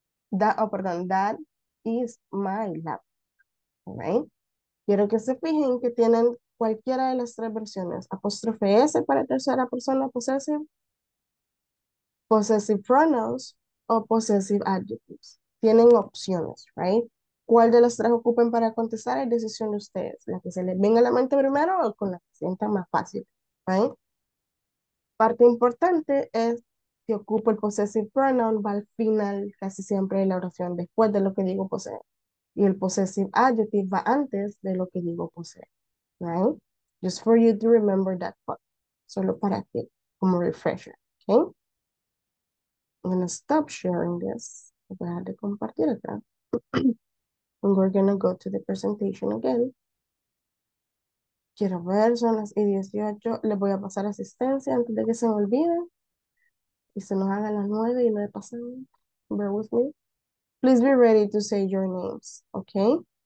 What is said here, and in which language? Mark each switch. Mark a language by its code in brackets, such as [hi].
[en] That, oh, [es] perdón, [en] that is my laptop, right? [es] Quiero que se fijen que tienen cualquiera de las tres versiones. Apóstrofe S para tercera persona possessive, possessive pronouns o possessive adjectives. Tienen opciones, right? ¿Cuál de las tres ocupen para contestar? Es decisión de ustedes. La que se les venga a la mente primero o con la que sienta más fácil, right? Parte importante es si ocupo el possessive pronoun, va al final casi siempre de la oración después de lo que digo poseer. Y el possessive adjective va antes de lo que digo poseer. Right? [en] Just for you to remember that part. [es] Solo para que, como [en] refresher. Okay? I'm going to stop sharing this. [es] Voy a dejar de compartir acá. [en] And we're going to go to the presentation again. [es] Quiero ver, son las 18. Les voy a pasar asistencia antes de que se me olviden. Y se nos haga las 9 y no he pasado. [en] Bear with me. Please be ready to say your names, okay?